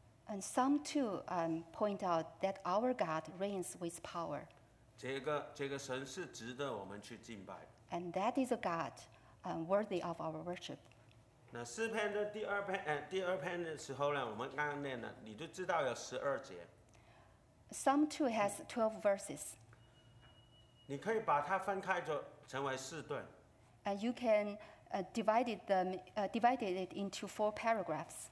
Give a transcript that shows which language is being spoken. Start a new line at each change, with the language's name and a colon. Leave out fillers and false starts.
English: And Psalm 2 point out that our God reigns with power.
Chinese: 这个神是值得我们去敬拜。
English: And that is a God worthy of our worship.
Chinese: 那诗篇的第二篇的时候呢，我们刚念了，你就知道有十二节。
English: Psalm 2 has 12 verses.
Chinese: 你可以把它分开成为四段。
English: And you can divide it into four paragraphs.